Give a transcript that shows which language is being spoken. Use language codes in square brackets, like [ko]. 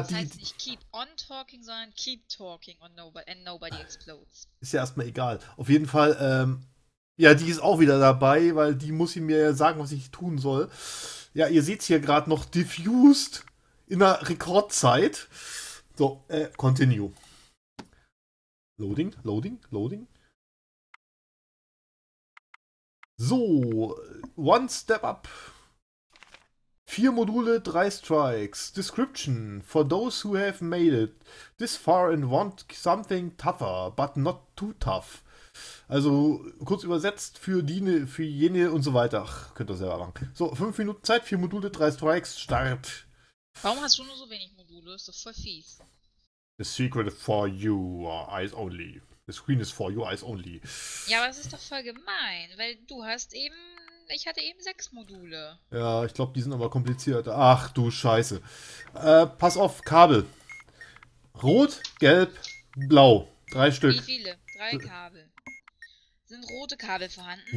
[de] Das heißt nicht Keep on Talking, sondern Keep Talking on Nobody Explodes. ist ja erstmal egal. Auf jeden Fall, ja, die ist auch wieder dabei, weil die muss ich mir ja sagen, was ich tun soll. Ja, ihr seht's hier gerade noch diffused in der Rekordzeit. [en] So, continue. Loading, loading, loading. So, one step up. [de] Vier Module, drei Strikes. [en] Description. For those who have made it this far and want something tougher, but not too tough. [de] Also kurz übersetzt für die, für jene und so weiter. Ach, könnt ihr selber machen. So, 5 Minuten Zeit, 4 Module, 3 Strikes, Start. Warum hast du nur so wenig Module? Ist doch voll fies. [en] Secret for you, eyes only. The screen is for you, eyes only. [de] Ja, aber es ist doch voll gemein, weil du hast eben. Ich hatte eben sechs Module. Ja, ich glaube, die sind aber komplizierter. Ach du Scheiße. Pass auf, Kabel. Rot, gelb, blau. Drei Wie Stück. viele? Drei Kabel. Sind rote Kabel vorhanden?